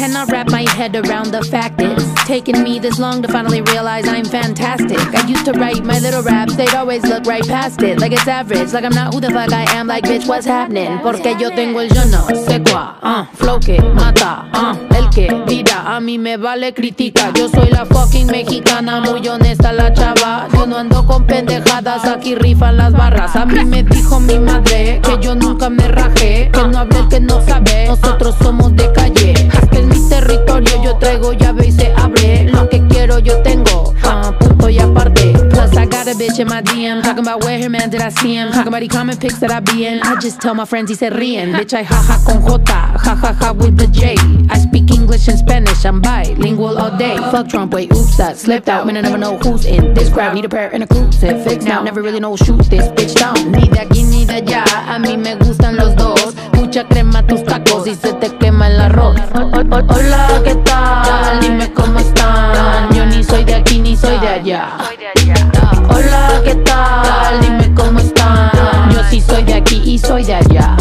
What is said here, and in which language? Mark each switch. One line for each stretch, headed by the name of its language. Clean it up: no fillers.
English: Wrap my head around the fact is taking me this long to finally realize I'm fantastic. I used to write my little raps, they'd always look right past it. Like it's average, like I'm not who the fuck I am. Like bitch, what's happening?
Spanish: Porque yo tengo el yo no sé cuá, flow que mata, el que dirá. A mí me vale crítica, yo soy la fucking mexicana. Muy honesta la chava, yo no ando con pendejadas. Aquí rifan las barras. A mí me dijo mi madre que yo nunca me rajé. Que no hable el que no sabe, nosotros somos de calle. Territorio, yo traigo llave y se abre. Lo que quiero yo tengo, punto y aparte.
English: Plus I got a bitch in my DM, talking about where her man did I see him, talking about the comment pics that I be in. I just tell my friends
Spanish: y se ríen.
English: Bitch I jaja
Spanish: con jota,
English: jajaja with the J. I speak English and Spanish, I'm bilingual all day. Fuck Trump, wait, oops, I slipped out. Man, I never know who's in this crowd. Need a pair in a cruise, fix now. Never really know shoot this bitch down.
Spanish: Ni de aquí ni de allá, a mí me gustan los dos. Mucha crema tus tacos y se te quema el arroz. Hola, ¿qué tal? Dime cómo están. Yo ni soy de aquí ni soy de allá. Hola, ¿qué tal? Dime cómo están. Yo sí soy de aquí y soy de allá.